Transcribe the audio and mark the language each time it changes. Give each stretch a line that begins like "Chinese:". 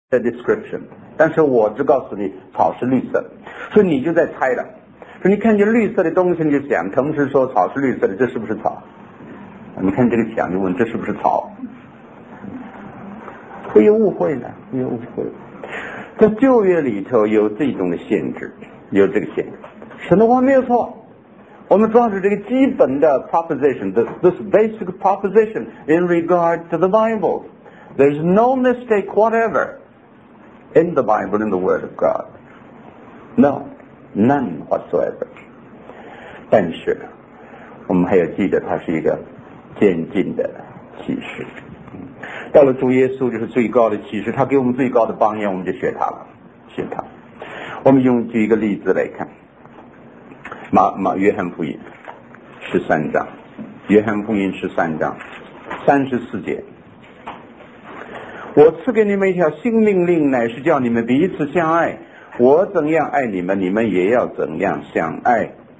English: the description，
Chinese: 但是我只告诉你草是绿色，所以你就在猜了。所以你看见绿色的东西，你就想，同时说草是绿色的，这是不是草？你看这个墙，就问这是不是草？会有误会呢，有误会。在旧约里头有这种的限制，有这个限制。神的话没有错，我们抓住这个基本的
English: proposition，this basic proposition in regard to the Bible， there's no mistake whatever in the Bible in the Word of God， no。 None whatsoever。
Chinese: 但是我们还要记得它是一个渐进的启示，到了主耶稣就是最高的启示，他给我们最高的榜样，我们就学他了，学他。我们用举一个例子来看，约翰福音十三章，约翰福音十三章三十四节，我赐给你们一条新命令，乃是叫你们彼此相爱，我怎样爱你们，你们也要怎样相爱。